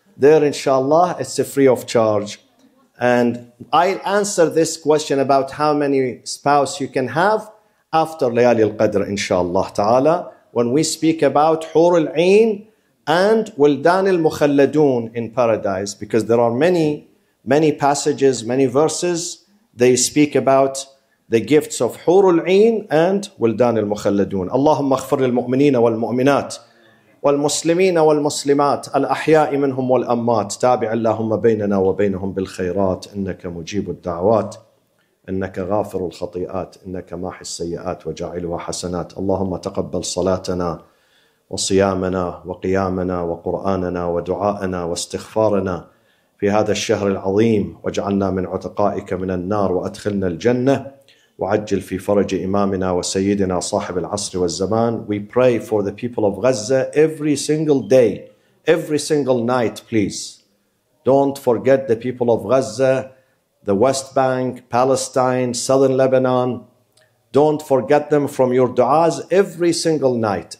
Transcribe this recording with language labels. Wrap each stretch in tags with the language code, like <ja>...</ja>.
<en>There, inshallah, it's a free of charge. And I'll answer this question about how many spouse you can have after Layali al-Qadr, inshallah ta'ala, when we speak about Hur al-Ain and Wildan al-Mukhalladun in paradise, because there are many, many passages, many verses, they speak about the gifts of Hur al-Ain and Wildan al-Mukhalladun.</en> <ar>Allahumma aghfir lil-mu'minina wal-mu'minat. والمسلمين والمسلمات الأحياء منهم والأموات تابع اللهم بيننا وبينهم بالخيرات إنك مجيب الدعوات إنك غافر الخطيئات إنك ماحي السيئات وجاعلها حسنات اللهم تقبل صلاتنا وصيامنا وقيامنا وقرآننا ودعاءنا واستغفارنا في هذا الشهر العظيم واجعلنا من عتقائك من النار وأدخلنا الجنة وعجل في فرج إمامنا وسيدنا صاحب العصر والزمان.</ar> <en>We pray for the people of Gaza every single day, every single night, please. Don't forget the people of Gaza, the West Bank, Palestine, southern Lebanon. Don't forget them from your du'as every single night.</en>